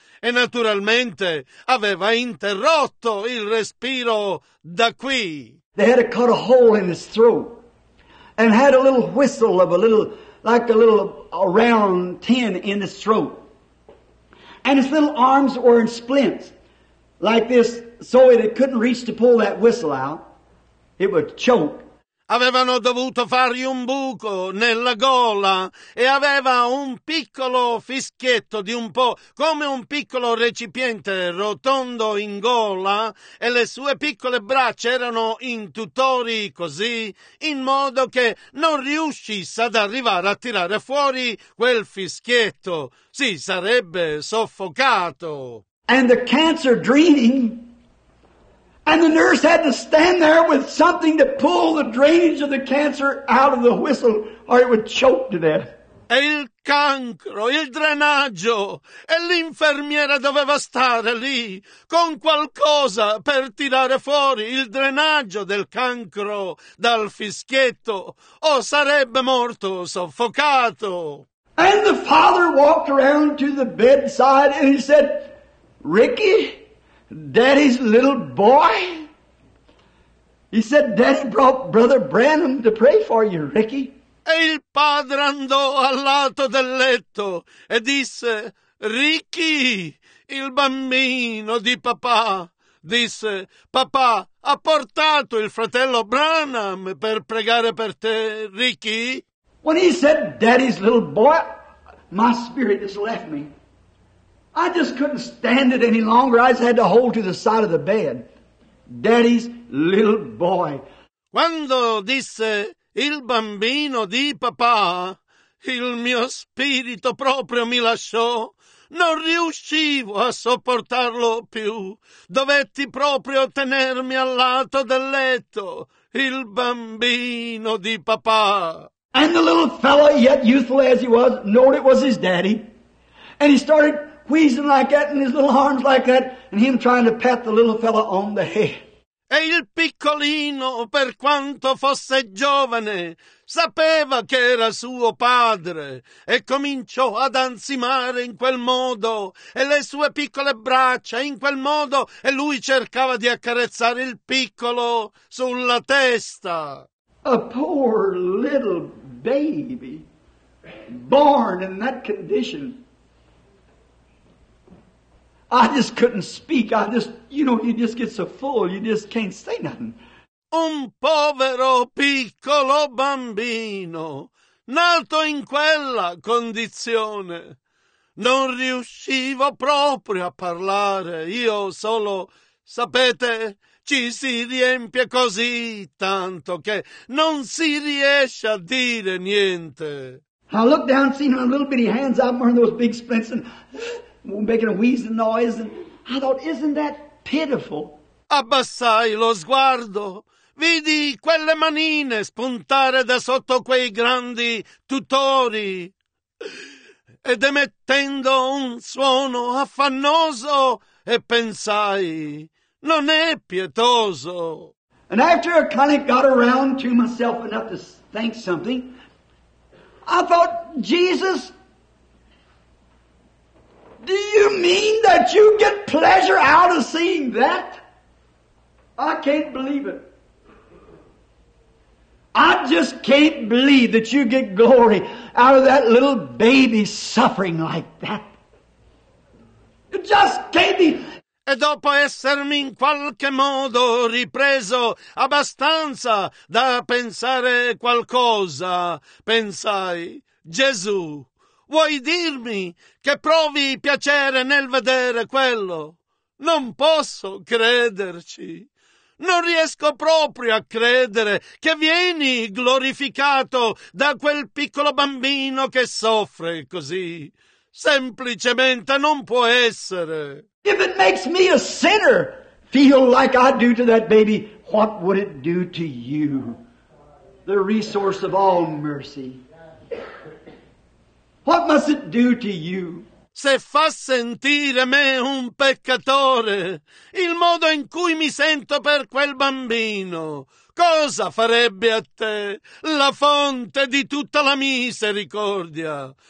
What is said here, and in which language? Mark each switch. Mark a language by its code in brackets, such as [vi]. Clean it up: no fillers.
[it] E naturalmente aveva interrotto il respiro da qui. [en] They had to cut a hole in his throat and had a little whistle of a little, like a little round tin in his throat. And his little arms were in splints like this so that it couldn't reach to pull that whistle out. It would choke. [it] Avevano dovuto fargli un buco nella gola e aveva un piccolo fischietto di un po' come un piccolo recipiente rotondo in gola e le sue piccole braccia erano in tutori così in modo che non riuscisse ad arrivare a tirare fuori quel fischietto. Si sarebbe soffocato. [en] And the cancer draining. And the nurse had to stand there with something to pull the drainage of the cancer out of the whistle, or it would choke to death. [it] E il cancro, il drenaggio, e l'infermiera doveva stare lì con qualcosa per tirare fuori il drenaggio del cancro dal fischietto, o sarebbe morto soffocato. [en] And the father walked around to the bedside and he said, "Ricky, Daddy's little boy." He said, "Daddy brought Brother Branham to pray for you, Ricky." [it] E il padre andò al lato del letto e disse, "Ricky, il bambino di papà." Disse, "Papà ha portato il fratello Branham per pregare per te, Ricky." [en] When he said, "Daddy's little boy," my spirit just left me. I just couldn't stand it any longer. I just had to hold to the side of the bed. "Daddy's little boy." [it] Quando disse il bambino di papà, il mio spirito proprio mi lasciò. Non riuscivo a sopportarlo più, dovetti proprio tenermi al lato del letto, il bambino di papà. [en] And the little fellow, yet youthful as he was, knowed it was his daddy, and he started wheezing like that and his little arms like that, and him trying to pat the little fellow on the head. [it] E il piccolino, per quanto fosse giovane, sapeva che era suo padre e cominciò ad ansimare in quel modo e le sue piccole braccia in quel modo e lui cercava di accarezzare il piccolo sulla testa. [en] A poor little baby born in that condition. I just couldn't speak. I just, you know, you just get so full, you just can't say nothing. [it] Un povero piccolo bambino, nato in quella condizione. Non riuscivo proprio a parlare, io solo, sapete, ci si riempie così tanto che non si riesce a dire niente. [en] I looked down, seen my little bitty hands out from those big splints and making a wheezing noise, and I thought, isn't that pitiful? [it] Abbassai lo sguardo. Vidi quelle manine spuntare da sotto quei grandi tutori ed emettendo un suono affannoso e pensai, non è pietoso. [en] And after I kind of got around to myself enough to think something, I thought, Jesus, do you mean that you get pleasure out of seeing that? I can't believe it. I just can't believe that you get glory out of that little baby suffering like that. It just can't be. [it] E dopo essermi in qualche modo ripreso abbastanza da pensare qualcosa, pensai, Gesù, vuoi dirmi che provi piacere nel vedere quello? Non posso crederci. Non riesco proprio a credere che vieni glorificato da quel piccolo bambino che soffre così. Semplicemente non può essere. [en] If it makes me a sinner feel like I do to that baby, what would it do to you? The resource of all mercy. What must it do to you? [it] Se fa sentire me un peccatore, il modo in cui mi sento per quel bambino, cosa farebbe a te la fonte di tutta la misericordia?